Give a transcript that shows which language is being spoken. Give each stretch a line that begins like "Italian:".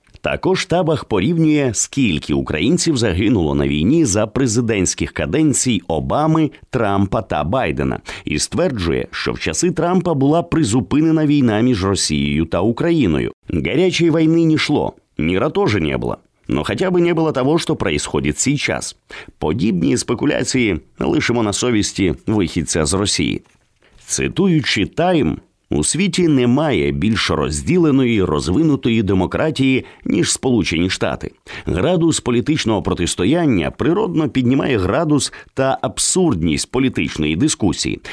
Ukrainian: Також Табах порівнює, скільки українців загинуло на війні за президентських каденцій Обами, Трампа та Байдена. І стверджує, що в часи Трампа була призупинена війна між Росією та Україною. Гарячої війни не йшло, міра теж не було.
Russian: Но хотя бы не было того, что происходит сейчас.
Ukrainian: Подібні спекуляції лишимо на совісті вихідця з Росії. Цитуючи «Тайм», у світі немає більш розділеної, розвинутої демократії, ніж Сполучені Штати. Градус політичного протистояння природно піднімає градус та абсурдність політичної дискусії.